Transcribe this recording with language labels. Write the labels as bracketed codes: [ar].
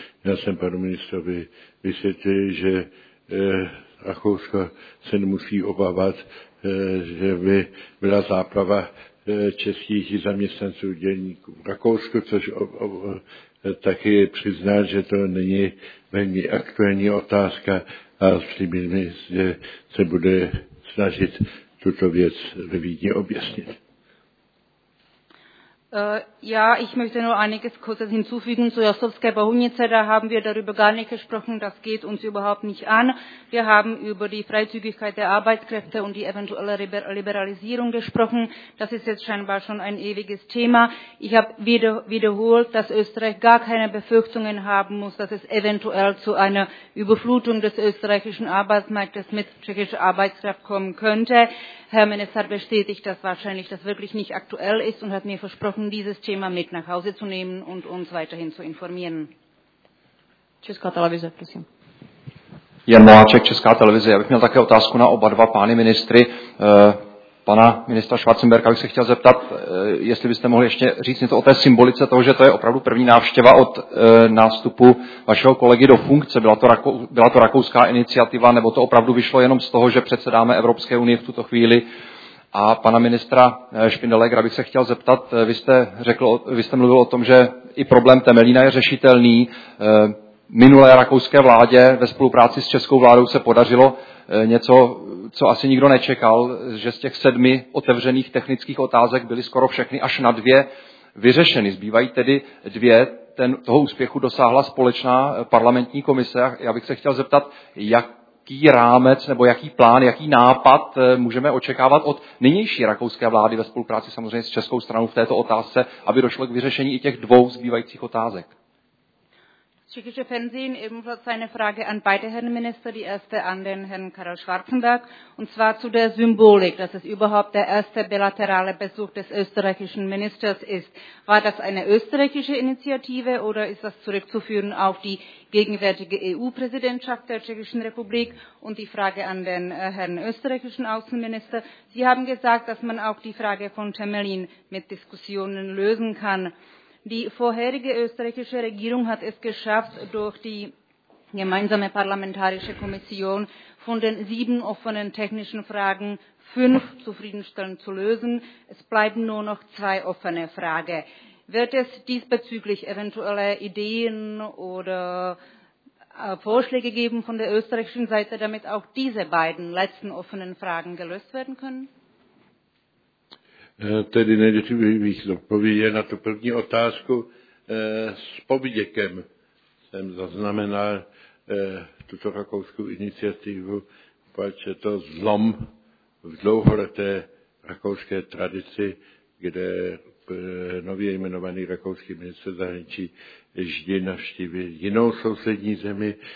[cs] Já jsem panu ministrovi vysvětlil, že Rakousko se nemusí obávat, že by byla záplava českých zaměstnanců dělníků v Rakousku, což taky přizná, že to není velmi aktuální otázka a slibím, že se bude snažit tuto věc ve Vídni objasnit. [de] Ja, ich möchte nur einiges kurzes hinzufügen zu Jastrowskaja Bohunice. Da haben wir darüber gar nicht gesprochen. Das geht uns überhaupt nicht an. Wir haben über die Freizügigkeit der Arbeitskräfte und die eventuelle Liberalisierung gesprochen. Das ist jetzt scheinbar schon ein ewiges Thema. Ich habe wiederholt, dass Österreich gar keine Befürchtungen haben muss, dass es eventuell zu einer Überflutung des österreichischen Arbeitsmarktes mit tschechischer Arbeitskraft kommen könnte. Herr Minister bestätigt, dass wahrscheinlich das wirklich nicht aktuell ist und hat mir versprochen, dieses Thema mit nach Hause zu nehmen und uns weiterhin zu informieren. [cs] Česká televize, prosím. Jan Moláček, Česká televize. Já bych měl také otázku na oba dva pány ministry. Pana ministra Schwarzenberga bych se chtěl zeptat, jestli byste mohli ještě říct něco o té symbolice toho, že to je opravdu první návštěva od nástupu vašeho kolegy do funkce. Byla to rakouská iniciativa, nebo to opravdu vyšlo jenom z toho, že předsedáme Evropské unii v tuto chvíli? A pana ministra Spindelegra bych se chtěl zeptat, vy jste mluvil o tom, že i problém Temelína je řešitelný. Minulé rakouské vládě ve spolupráci s českou vládou se podařilo něco, co asi nikdo nečekal, že z těch 7 otevřených technických otázek byly skoro všechny až na 2 vyřešeny. Zbývají tedy 2. Toho úspěchu dosáhla společná parlamentní komise. Já bych se chtěl zeptat, jaký rámec nebo jaký plán, jaký nápad můžeme očekávat od nynější rakouské vlády ve spolupráci samozřejmě s českou stranou v této otázce, aby došlo k vyřešení i těch 2 zbývajících otázek. [de] Tschechische Fernsehen, ebenfalls eine Frage an beide Herren Minister, die erste an den Herrn Karel Schwarzenberg, und zwar zu der Symbolik, dass es überhaupt der erste bilaterale Besuch des österreichischen Ministers ist. War das eine österreichische Initiative oder ist das zurückzuführen auf die gegenwärtige EU-Präsidentschaft der Tschechischen Republik? Und die Frage an den Herrn österreichischen Außenminister. Sie haben gesagt, dass man auch die Frage von Temelin mit Diskussionen lösen kann. Die vorherige österreichische Regierung hat es geschafft, durch die gemeinsame parlamentarische Kommission von den 7 offenen technischen Fragen 5 zufriedenstellend zu lösen. Es bleiben nur noch 2 offene Fragen. Wird es diesbezüglich eventuelle Ideen oder Vorschläge geben von der österreichischen Seite, damit auch diese beiden letzten offenen Fragen gelöst werden können? [cs] Tedy nejdřív bych odpověděl na tu první otázku. S povděkem jsem zaznamenal tuto rakouskou iniciativu, protože to zlom v dlouholeté rakouské tradici, kde nově jmenovaný rakouský ministr zahraničí vždy navštívil jinou sousední zemi.